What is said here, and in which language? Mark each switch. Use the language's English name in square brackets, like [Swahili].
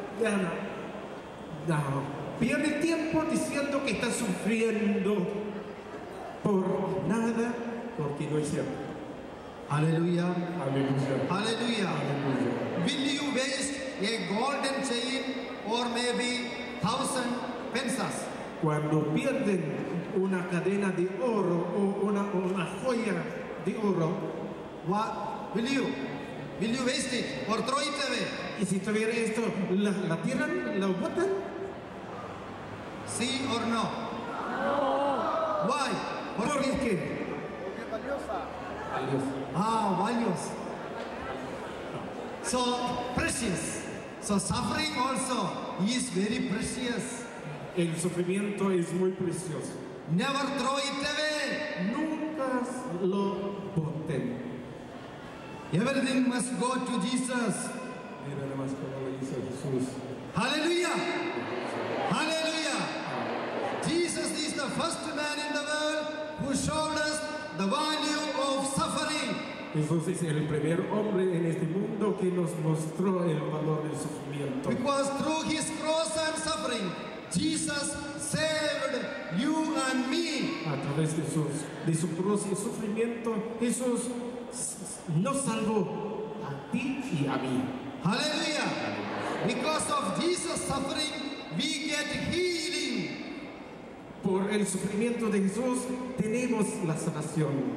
[Spanish] Nunca pierde tiempo diciendo que está sufriendo por nada, porque no es cierto. Aleluya. Aleluya. Aleluya. Aleluya. [English] Will you waste a golden chain or maybe 1,000 pesos? [Spanish] Cuando pierden una cadena de oro o una joya de oro, [English] what will you waste it or throw it away? [Spanish] Y si tuviera esto, la tiran, la botan. Sí [English] or no? [Spanish] No. [English] Why? [Spanish] ¿Por qué? Porque valiosa. Valiosa. Ah, valios. [English] So precious. So suffering also is very precious. [Spanish] El sufrimiento es muy precioso. [English] Never throw it away. [Spanish] Nunca lo boten. [English] Everything must go to Jesus. [Spanish] Mira nada más como lo dice Jesús. [English] Hallelujah. Hallelujah. Jesus is the first man in the world who showed us the value of suffering. [Spanish] Jesús es el primer hombre en este mundo que nos mostró el valor del sufrimiento. [English] Because through his cross and suffering, Jesus saved you and me. [Spanish] A través de su cruz y sufrimiento, Jesús nos salvó a ti y a mí. [English] Hallelujah. Because of Jesus' suffering, we get healing. [Spanish] Por el sufrimiento de Jesús, tenemos la sanación.